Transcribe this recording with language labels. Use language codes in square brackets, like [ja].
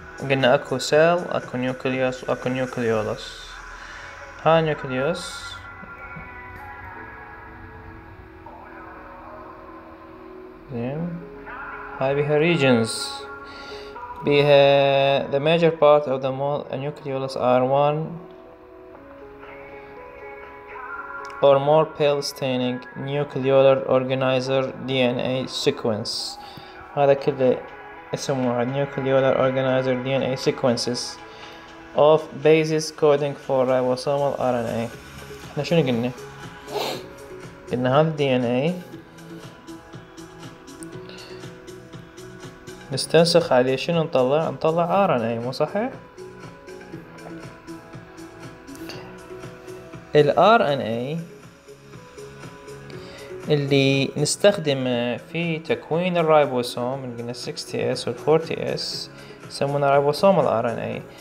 [ar] قلنا اكو سيل، اكو نيوكليوس، اكو نيوكليولس. ها نيوكليوس زين، هاي بيها ريجنز، بيها [en] the major part of the nucleus are one or more pale staining nucleolar organizer DNA sequence. [ar] هذا كله اسمه [en] nucleolar organizer DNA sequences of bases coding for ribosomal RNA. [ar] احنا شنو قلنا؟ قلنا هذا DNA نستنسخ عليه شنو نطلع؟ نطلع RNA، مو صحيح؟ ال RNA اللي نستخدمه في تكوين الرايبوسوم اللي قلنا 60S وال 40S يسمونه رايبوسوم ال RNA.